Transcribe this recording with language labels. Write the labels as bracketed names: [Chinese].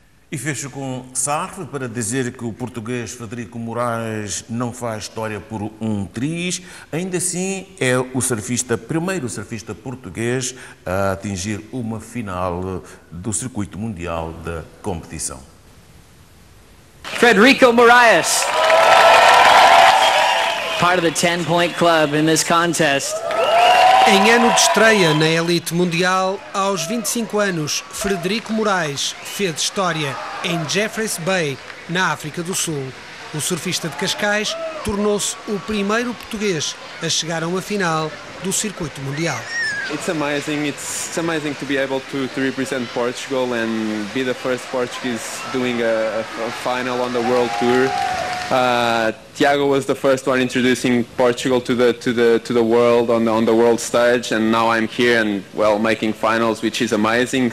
[Portuguese] E fecho com Sarre para dizer que o português Frederico Moraes não faz história por um triz. Ainda assim, é o surfista, primeiro surfista português a atingir uma final do circuito mundial da competição. [English] Frederico Moraes, part of the 10-point club in this contest. [Portuguese] Em ano de estreia na elite mundial, aos 25 anos, Frederico Moraes fez história em Jeffreys Bay, na África do Sul. O surfista de Cascais tornou-se o primeiro português a chegar a uma final do circuito mundial. [English] It's amazing to be able to represent Portugal and be the first Portuguese doing a final on the World Tour. Tiago was the first one introducing Portugal to the world on the world stage, and now I'm here and well making finals, which is amazing.